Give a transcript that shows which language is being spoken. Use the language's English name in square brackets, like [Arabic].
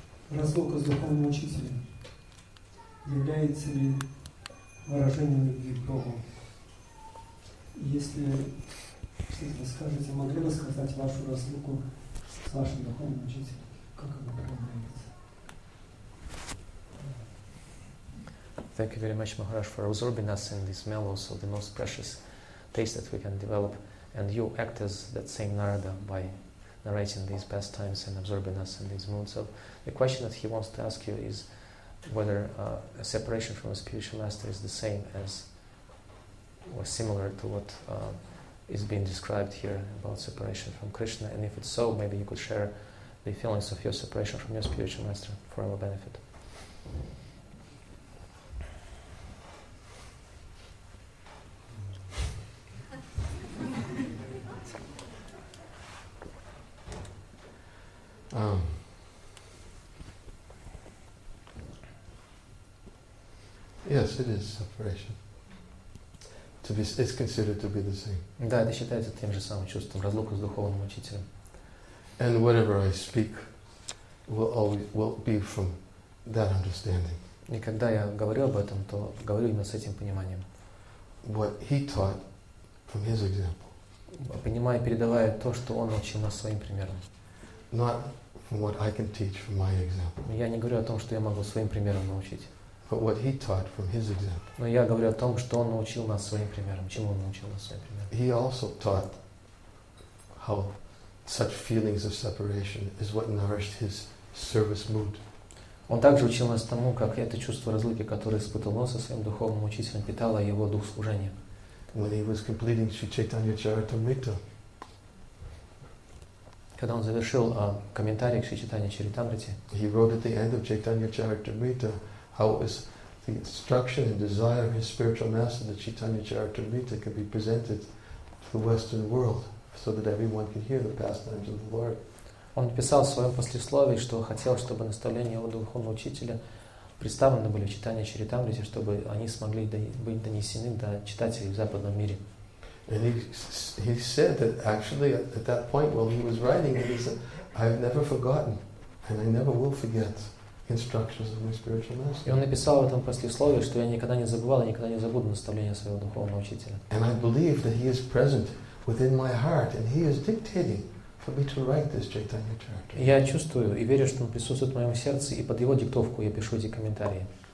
[Russian] Разлука с духовным учителем является ли выражением любви к Богу? Если вы скажете, могли бы сказать вашу разлуку с вашим духовным учителем? Как она проявляется? [English] Thank you very much, Maharaj, for absorbing us in these mellows of the most precious taste that we can develop. And you act as that same Narada by narrating these pastimes and absorbing us in these moods. So the question that he wants to ask you is whether a separation from a spiritual master is the same as or similar to what is being described here about separation from Krishna. And if it's so, maybe you could share the feelings of your separation from your spiritual master for our benefit. Yes, it is separation. To be, it's considered to be the same. [Russian] Да, это считается тем же самым чувством, разлука с духовным учителем. [English] And whatever I speak will always will be from that understanding. [Russian] И когда я говорю об этом, то говорю именно с этим пониманием. [English] What he taught from his example. [Russian] Понимая, передавая то, что он учил нас своим примером. [English] Not from what I can teach from my example. [Russian] Я не говорю о том, что я могу своим примером научить. [English] But what he taught from his example. [Russian] Но я говорю о том, что он научил нас своим примером. Чему он научил нас своим примером? [English] He also taught how such feelings of separation is what nourished his service mood. [Russian] Он также учил нас тому, как это чувство разлуки, которое испытывал он со своим духовным учителем, питало его дух служения. [English] When he was completing Sri Chaitanya Charitamrita. [Russian] Когда он завершил комментарий к Шри Чайтанья Чаритамрите. [English] He wrote at the end of Chaitanya Charitamrita. How is the instruction and desire of his spiritual master, the Chaitanya Charitamrita, can be presented to the Western world so that everyone can hear the pastimes of the Lord. [Russian] Он писал в своем послесловии, что хотел, чтобы наставления его духовного учителя представлены были в Чайтанья Чаритамрите, чтобы они смогли быть донесены до читателей в западном мире. [English] And he said that actually at that point while he was writing it, he said, I've never forgotten and I never will forget. Instructions of my spiritual master. [Russian] И он написал в этом послесловии, что я никогда не забывал и никогда не забуду наставления своего духовного учителя. [English] And I believe that he is present within my heart, and he is dictating for me to write this Chaitanya Charitamrita. [Russian] Я чувствую и верю, что он присутствует в моем сердце, и под его диктовку я пишу эти комментарии.